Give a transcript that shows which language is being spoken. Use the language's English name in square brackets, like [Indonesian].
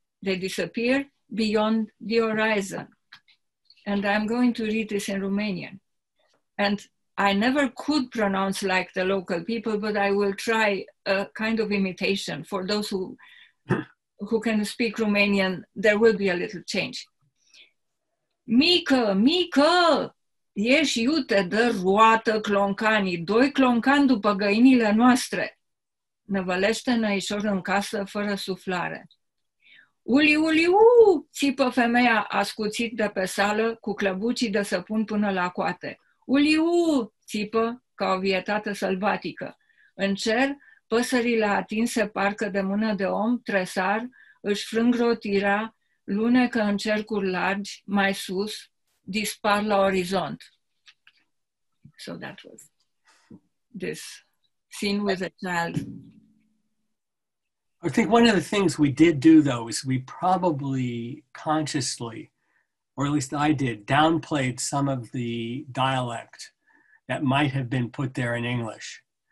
[English] They disappear beyond the horizon. And I'm going to read this in Romanian. And I never could pronounce like the local people, but I will try a kind of imitation. For those who can speak Romanian, there will be a little change. [Romanian] Mică, mică, ieși iute, dă roată cloncanii, doi cloncani după găinile noastre. Năvălește năișor în casă fără suflare. Uli, uli, uu, țipă femeia ascuțit de pe sală cu clăbucii de săpun până la coate. Uliu, țipă ca o vietată sălbatică. În cer, păsările atinse parcă de mână de om, tresar, își frâng rotirea, lunecă în cercuri largi, mai sus, dispar la orizont. [English] So that was this scene with a child. I think one of the things we did do, though, is we probably consciously, or at least I did, downplayed some of the dialect that might have been put there in English.